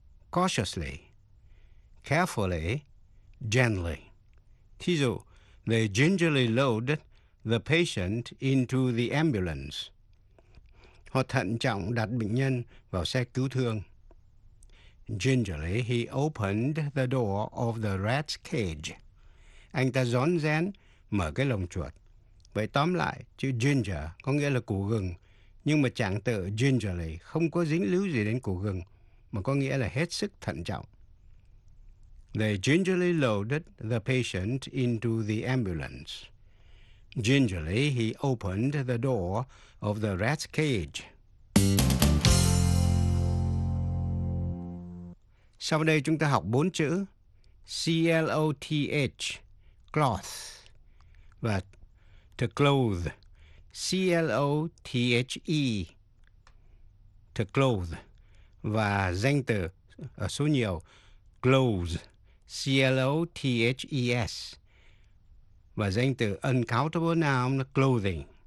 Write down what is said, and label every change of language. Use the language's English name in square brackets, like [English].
[English] Cautiously, carefully, gently. [Vietnamese] Thí dụ, [English] they gingerly loaded the patient into the ambulance. [Vietnamese] Họ thận trọng đặt bệnh nhân vào xe cứu thương. [English] Gingerly he opened the door of the rat's cage. [Vietnamese] Anh ta rón rén mở cái lồng chuột. Vậy tóm lại, chữ ginger có nghĩa là củ gừng, nhưng mà trạng từ gingerly không có dính líu gì đến củ gừng, mà có nghĩa là hết sức thận trọng. [English] They gingerly loaded the patient into the ambulance. Gingerly, he opened the door of the rat's cage. [Vietnamese] Sau đây chúng ta học bốn chữ C-L-O-T-H, cloth, và to clothe, C-L-O-T-H-E, to clothe, và danh từ số nhiều, clothes, C-L-O-T-H-E-S, và danh từ uncountable noun clothing.